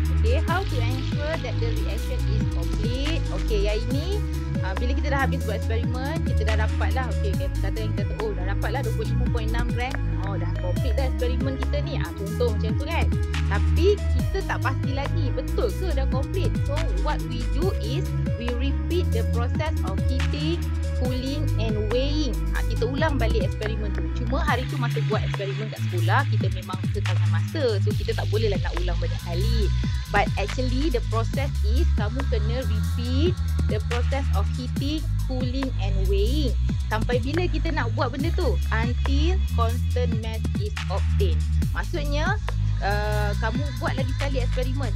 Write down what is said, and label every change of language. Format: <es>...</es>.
<en>Okey, how to ensure that the reaction is complete.</en> <ms>Okey, yang ini bila kita dah habis buat eksperimen, kita dah dapat lah. Okey, kata yang kata, oh dah dapat lah 25.6 gram. Oh, dah complete dah eksperimen kita ni. Contoh macam tu kan. Tapi kita tak pasti lagi betul ke dah complete.</ms> <en>So what we do is we repeat the process of heating, cooling and weighing.</en> <ms>Kita ulang balik eksperimen tu. Cuma hari tu masa buat eksperimen kat sekolah, kita memang kekangan masa. So kita tak boleh lah nak ulang banyak kali.</ms> <en>But actually the process is</en> <ms>kamu kena</ms> <en>repeat the process of heating, cooling and weighing.</en> <ms>Sampai bila kita nak buat benda tu?</ms> <en>Until constant mass is obtained.</en> <ms>Maksudnya kamu buat lagi sekali eksperimen.</ms>